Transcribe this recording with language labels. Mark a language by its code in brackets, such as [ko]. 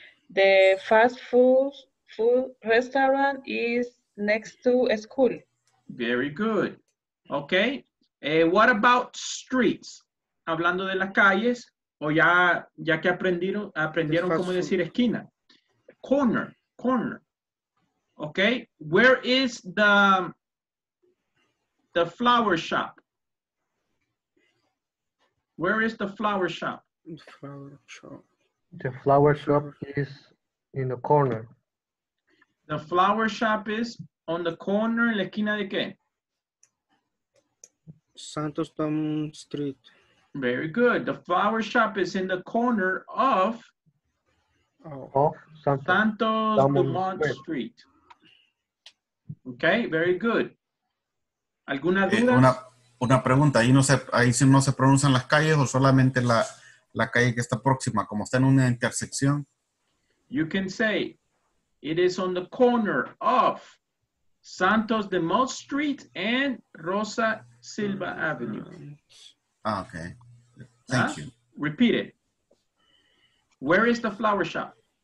[en] The fast food restaurant is next to a school. Very good. Okay. What about streets? [es] Hablando de las calles, o ya que aprendieron cómo decir esquina. [en] Corner. Okay. Where is the flower shop? Where is the flower shop? Flower shop. The flower shop is in the corner. The flower shop is on the corner, [es] en la esquina de qué? [en] Santos Dumont Street. Very good. The flower shop is in the corner of Santos Dumont Street. Okay, very good. [es] ¿Alguna duda? Una pregunta, ahí no se pronuncian las calles o solamente la calle que está próxima, como está en una intersección. [en] You can say it is on the corner of Santos Dumont Street and Rosa Silva Avenue. Ah, okay. Thank you. Repeat it. Where is the flower shop?